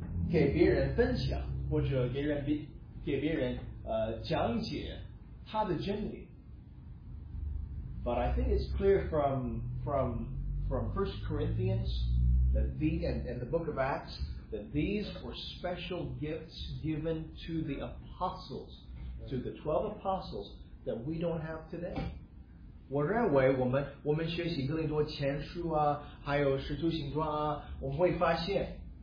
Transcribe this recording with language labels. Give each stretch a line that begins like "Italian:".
Chinese: 给别人分享或者给别人讲解他的真理。
English: But I think it's clear from 1 Corinthians that and the book of Acts that these were special gifts given to the apostles, to the 12 apostles that we don't have today.
Chinese: 我认为我们学习哥林多前书啊，还有使徒行传啊，我们会发现。